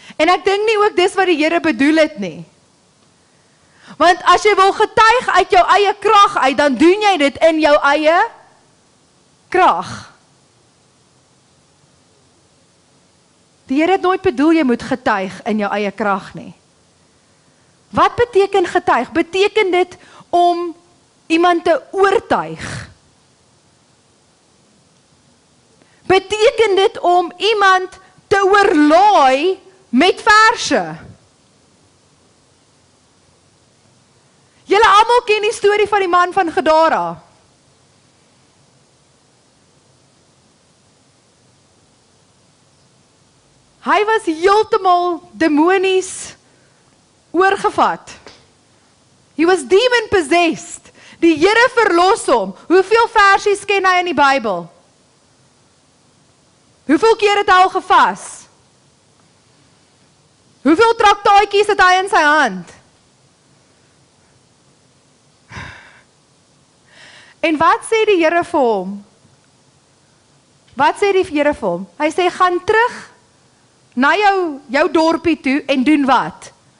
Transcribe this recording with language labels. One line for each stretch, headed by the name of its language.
Afrikaans: En ek dink nie ook dis wat die Here bedoel het nie. Want as jy wil getuig uit jou eie krag uit, dan doen jy dit in jou eie krag. Die Here het nooit bedoel jy moet getuig in jou eie krag nie. Wat beteken getuig? Beteken dit om iemand te oortuig? Beteken dit om iemand te oorlaai met verse? Julle almal ken die storie van die man van Gadara. Hy was heeltemal demonies oorgevat.
English: He was demon possessed.
Afrikaans: Die Here verlos hom. Hoeveel versies ken hy in die Bybel? Hoeveel keer het hy al gevas? Hoeveel traktaatjies het hy in sy hand? En wat sê die Here vir hom? Wat sê die Here vir hom? Hy sê, gaan terug na jou dorpie toe en doen wat?